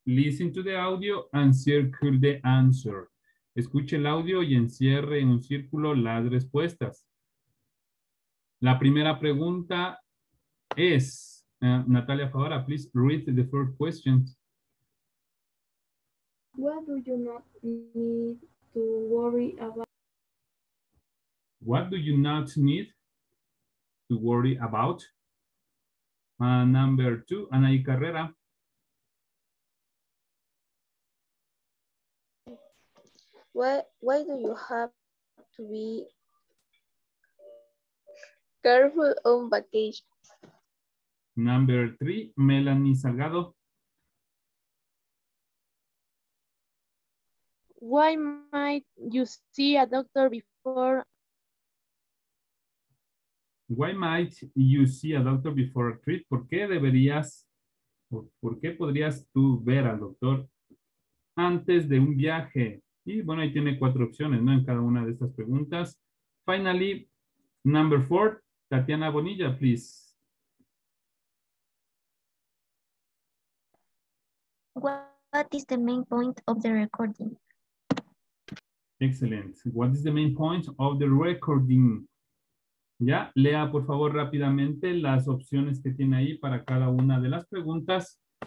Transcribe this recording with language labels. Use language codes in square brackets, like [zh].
[en] Listen to the audio and circle the answer. [es] Escuche el audio y encierre en un círculo las respuestas. La primera pregunta es, [en] Natalia Favara, please read the first question. What do you not need to worry about? What do you not need to worry about? Number two, Anaí Carrera. Why do you have to be careful on vacation? Number three, Melanie Salgado. Why might you see a doctor before? Why might you see a doctor before a trip? [es] ¿Por qué deberías, por qué podrías tú ver al doctor antes de un viaje? Y bueno, ahí tiene cuatro opciones, ¿no? En cada una de estas preguntas. [en] Finally, number four, Tatiana Bonilla, please. What is the main point of the recording? Excellent. What is the main point of the recording? [es] Ya, lea por favor rápidamente las opciones que tiene ahí para cada una de las preguntas.